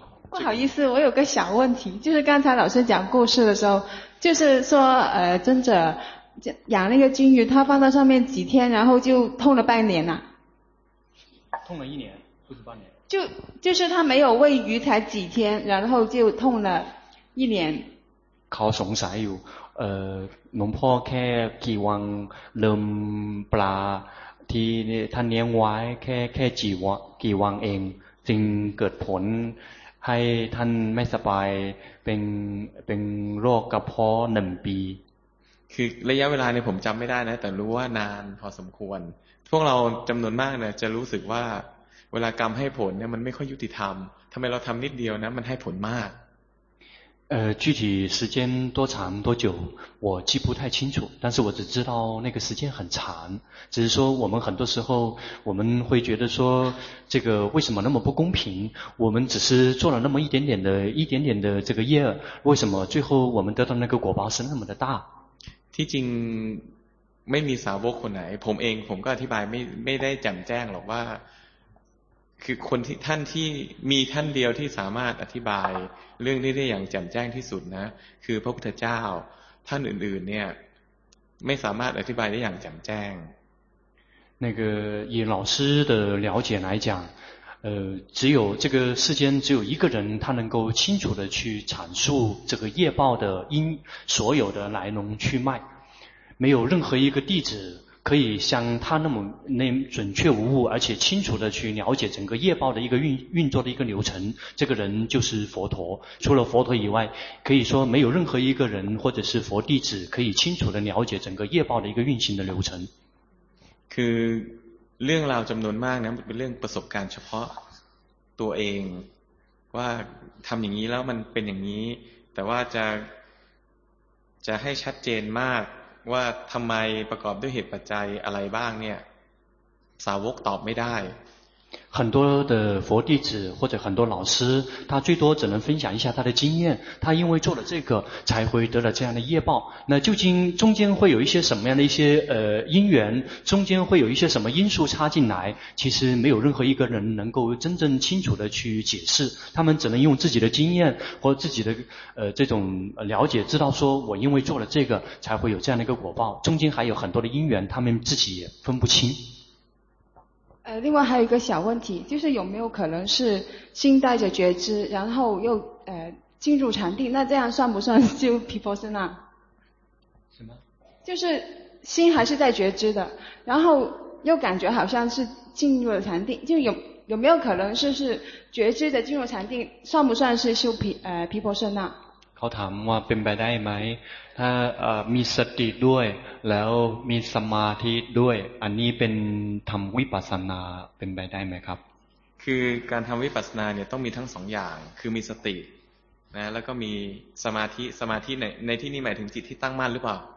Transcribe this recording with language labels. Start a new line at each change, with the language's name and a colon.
Chinese: 不好意思，我有个小问题，就是刚才老师讲故事的时候，就是说尊者养那个金鱼，他放到上面几天，然后就痛了半年呐。痛了一年，不是半年。就是他没有喂鱼才几天，然后就痛了一年。
Thai: เขาสงสัยอยู่หลวงพ่อแค่กี่วันเริ่มปลาที่ท่านเลี้ยงไว้แค่กี่วันเองจึงเกิดผลให้ท่านไม่สบายเป็นโรคกระเพาะ1ปี คือระยะเวลาเนี่ยผมจำไม่ได้นะแต่รู้ว่านานพอสมควรพวกเราจำนวนมากเนี่ยจะรู้สึกว่าเวลากรรมให้ผลเนี่ยมันไม่ค่อยยุติธรรมทำไมเราทำนิดเดียวนะมันให้ผลมาก
Chinese: 具体时间多长多久我记不太清楚，但是我只知道那个时间很长，只是说我们很多时候我们会觉得说这个为什么那么不公平，我们只是做了那么一点点的这个业，为什么最后我们得到那个果报是那么的大。
Thai: ที่จริงไม่มีสาวกคนไหนผมเองผมก็อธิบายไม่ได้แจ่มแจ้งหรอกว่าคือคนที่ท่านที่มีท่านเดียวที่สามารถอธิบายเรื่องนี้ได้อย่างแจ่มแจ้งที่สุดนะคือพระพุทธเจ้าท่านอื่นๆเนี่ยไม่สามารถอธิบายได้อย่างแจ่มแจ้ง
Chinese: 那个以老师的了解来讲只有这个世间只有一个人他能够清楚的去阐述这个业报的因所有的来龙去脉，没有任何一个弟子可以像他那么准确无误，而且清楚的去了解整个业报的一个运作的一个流程。这个人就是佛陀。除了佛陀以外，可以说没有任何一个人或者是佛弟子可以清楚的了解整个业报的一个运行的流程。
Thai: คือเรื่องราวจำนวนมากนะเป็นเรื่องประสบการณ์เฉพาะตัวเองว่าทำอย่างนี้แล้วมันเป็นอย่างนี้แต่ว่าจะให้ชัดเจนมากว่าทำไมประกอบด้วยเหตุปัจจัยอะไรบ้างเนี่ยสาวกตอบไม่ได้
Chinese: 很多的佛弟子或者很多老师他最多只能分享一下他的经验他因为做了这个才会得了这样的业报那究竟中间会有一些什么样的一些因缘中间会有一些什么因素插进来其实没有任何一个人能够真正清楚的去解释他们只能用自己的经验或自己的这种了解知道说我因为做了这个才会有这样的一个果报中间还有很多的因缘他们自己也分不清另外还有一个小问题，就是有没有可能是心带着觉知，然后又进入禅定，那这样算不算就毗婆舍那？什么？就是心还是在觉知的，然后又感觉好像是进入了禅定，就有没有可能是觉知的进入禅定，算不算是修毗婆舍那？
Thai: เขาถามว่าเป็นไปได้ไหมถ้ามีสติด้วยแล้วมีสมาธิด้วยอันนี้เป็นทำวิปัสสนาเป็นไปได้ไหมครับ คือการทำวิปัสสนาเนี่ยต้องมีทั้งสองอย่างคือมีสตินะแล้วก็มีสมาธิสมาธิในที่นี้หมายถึงจิตที่ตั้งมั่นหรือเปล่า